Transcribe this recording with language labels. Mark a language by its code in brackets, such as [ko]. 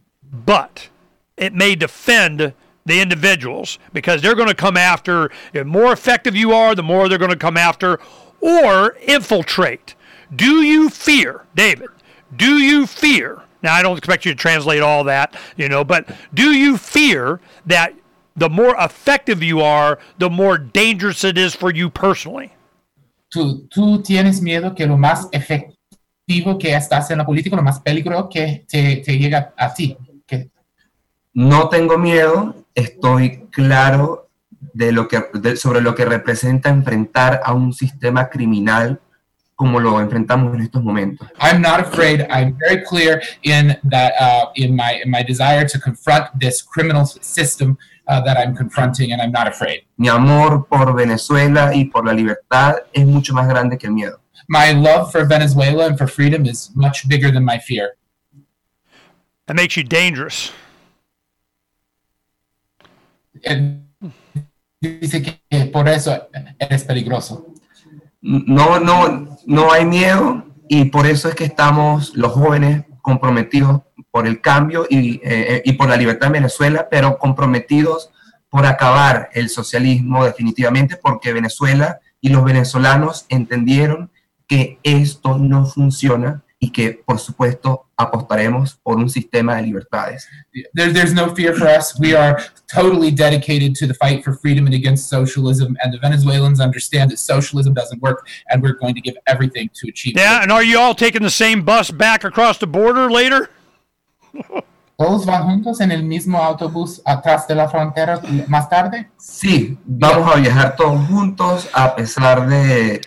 [en] But it may defend the individuals because they're going to come after, the more effective you are, the more they're going to come after or infiltrate. Do you fear, David, do you fear, now I don't expect you to translate all that, you know, but do you fear that the more effective you are, the more dangerous it is for you personally? [es] Tú tienes miedo que lo más efectivo que estás en la política, lo más peligroso que te llega a ti. No tengo miedo, estoy claro sobre lo que representa enfrentar a un sistema criminal como lo enfrentamos en estos momentos. [en] I'm not afraid. I'm very clear in that in my desire to confront this criminal system that I'm confronting, and I'm not afraid. [es] Mi amor por Venezuela y por la libertad es mucho más grande que el miedo. [en] My love for Venezuela and for freedom is much bigger than my fear. That makes you dangerous. [es] Dice que por eso eres peligroso. No hay miedo, y por eso es que estamos los jóvenes comprometidos por el cambio y por la libertad en Venezuela, pero comprometidos por acabar el socialismo definitivamente, porque Venezuela y los venezolanos entendieron que esto no funciona y que, por supuesto, apostaremos por un sistema de libertades. [en] There's no fear for us. We are totally dedicated to the fight for freedom and against socialism, and the Venezuelans understand that socialism doesn't work, and we're going to give everything to achieve it. Yeah, and are you all taking the same bus back across the border later? [es] ¿Todos van juntos en el mismo autobús atrás de la frontera más tarde? Sí, vamos a viajar todos juntos a pesar de...